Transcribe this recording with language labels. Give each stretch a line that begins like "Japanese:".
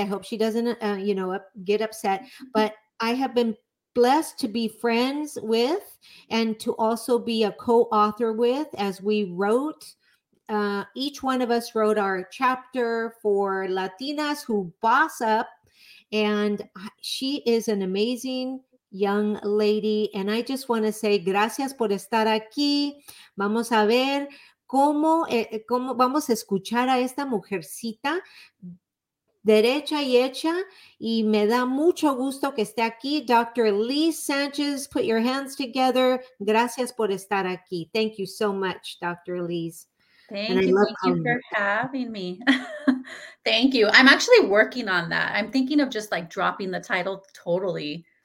English: I hope she doesn't, get upset, but I have been blessed to be friends with and to also be a co-author with as we wrote. Each one of us wrote our chapter for Latinas Who Boss Up, and she is an amazing young lady, and I just want to say
Spanish: gracias por estar aquí. Vamos a ver cómo vamos a escuchar a esta mujercita derecha y hecha, y me da mucho gusto que esté aquí.
English: Dr. Lee Sanchez, put your hands together.
Spanish: Gracias por estar aquí.
English: Thank you so much, Dr. Lee. Thank you for having me. Thank you. I'm actually working on that. I'm thinking of just like dropping the title totally.